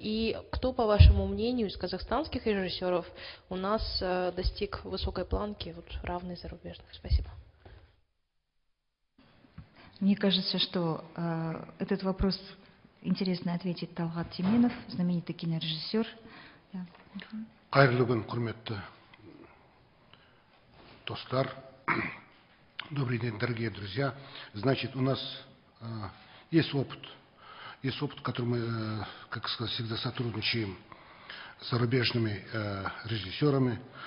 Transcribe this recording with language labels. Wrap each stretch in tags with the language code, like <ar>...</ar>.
<ru>И кто, по вашему мнению, из казахстанских режиссеров у нас достиг высокой планки, вот, равной зарубежных? Спасибо. Мне кажется, что этот вопрос интересно ответит Талгат Тименов, знаменитый кинорежиссер.</ru> <kk>Кайрлы күн, құрметті достар.</kk> <ru>Добрый день, дорогие друзья. Значит, у нас есть опыт. Есть опыт, который мы, как сказать, всегда сотрудничаем с зарубежными режиссерами.</ru>